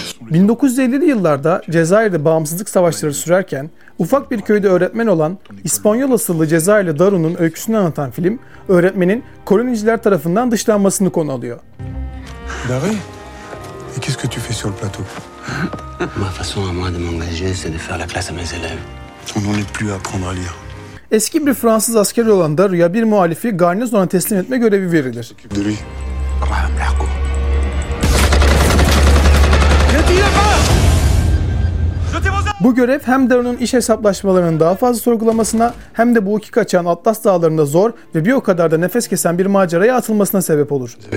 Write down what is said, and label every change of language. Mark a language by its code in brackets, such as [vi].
[tr] 1950'li yıllarda Cezayir'de bağımsızlık savaşları sürerken ufak bir köyde öğretmen olan İspanyol asıllı Cezayirli Daru'nun öyküsünü anlatan film, öğretmenin koloniciler tarafından dışlanmasını konu alıyor. [fr] Daru, et qu'est-ce que tu fais sur le plateau? Ma façon à moi de m'engager, c'est de faire la classe à mes élèves. On n'en est plus à apprendre à lire. [tr] Eski bir Fransız askeri olan Daru'ya bir muhalifi garnizona teslim etme görevi verilir. Daru. Bu görev hem Daru'nun iş hesaplaşmalarının daha fazla sorgulamasına hem de bu iki kaçağın Atlas Dağları'nda zor ve bir o kadar da nefes kesen bir maceraya atılmasına sebep olur.